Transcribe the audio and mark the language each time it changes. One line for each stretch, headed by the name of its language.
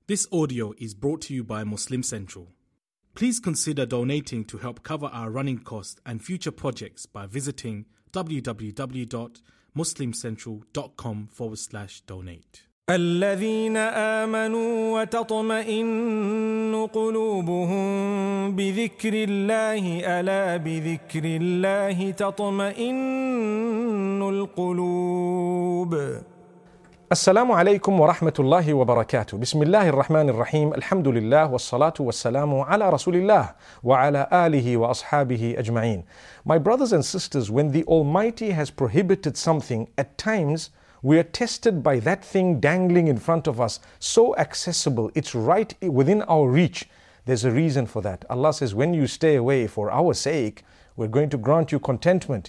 English: This audio is brought to you by Muslim Central. Please consider donating to help cover our running costs and future projects by visiting www.muslimcentral.com/donate.
Arabic: الذين آمنوا وتطمئن قلوبهم بذكر الله ألا بذكر الله تطمئن القلوب. السلام عليكم ورحمة الله وبركاته. بسم الله الرحمن الرحيم. الحمد لله والصلاة والسلام على رسول الله وعلى آله وأصحابه أجمعين.
English: My brothers and sisters, when the Almighty has prohibited something, at times we are tested by that thing dangling in front of us, so accessible, it's right within our reach. There's a reason for that. Allah says, when you stay away for our sake, we're going to grant you contentment.